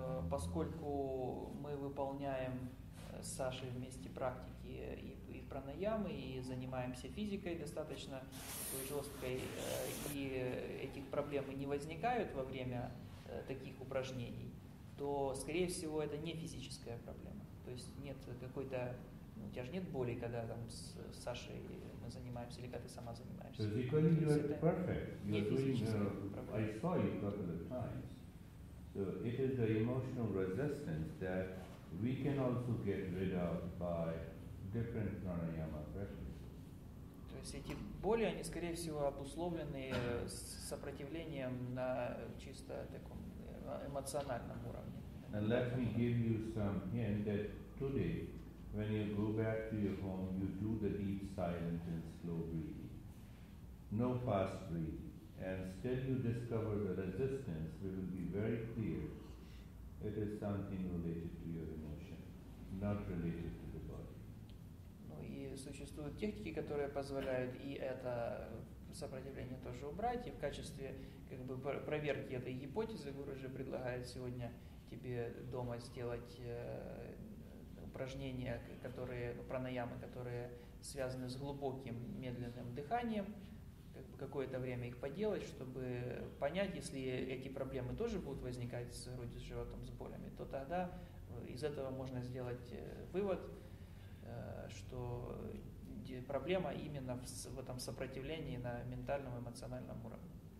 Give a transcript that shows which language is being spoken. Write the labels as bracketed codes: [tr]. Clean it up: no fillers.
[ru] Поскольку мы выполняем с Сашей вместе практики и пранаямы, и занимаемся физикой достаточно такой жесткой, и этих проблем не возникают во время таких упражнений, то, скорее всего, это не физическая проблема. То есть нет какой-то, ну, у тебя же нет боли, когда там с Сашей мы занимаемся, или когда ты сама занимаешься. [en] Physically you are perfect. You're [ru] не [en] doing, I saw you a couple of times. So it is the emotional resistance that we can also get rid of by different pranayama practices. [ru] То есть эти боли, они, скорее всего, обусловлены сопротивлением на чисто таком эмоциональном уровне. [en] And let me give you some hint that today, when you go back to your home, you do the deep, silent, and slow breathing. No fast breathing. And still you discover the resistance, it will be very clear. It is something related to your emotion, not related to the body. [ru] Ну и существуют техники, которые позволяют и это сопротивление тоже убрать, и в качестве как бы проверки этой гипотезы Гуруджи предлагает сегодня тебе дома сделать упражнения, которые, пранаямы, которые связаны с глубоким медленным дыханием, как бы какое-то время их поделать, чтобы понять, если эти проблемы тоже будут возникать с грудью, с животом, с болями, то тогда из этого можно сделать вывод, что проблема именно в этом сопротивлении на ментальном, эмоциональном уровне.